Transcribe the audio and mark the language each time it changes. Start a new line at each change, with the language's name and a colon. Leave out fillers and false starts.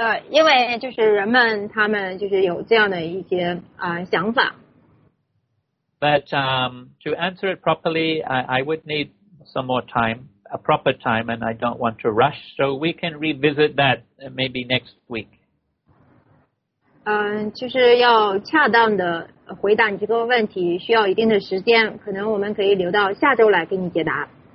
Chinese: 因为就是人们他们就是有这样的一些想法。
English: But to answer it properly, I would need some more time, a proper time, and I don't want to rush. So we can revisit that maybe next week.
Chinese: 就是要恰当的回答你这个问题，需要一定的时间，可能我们可以留到下周来给你解答。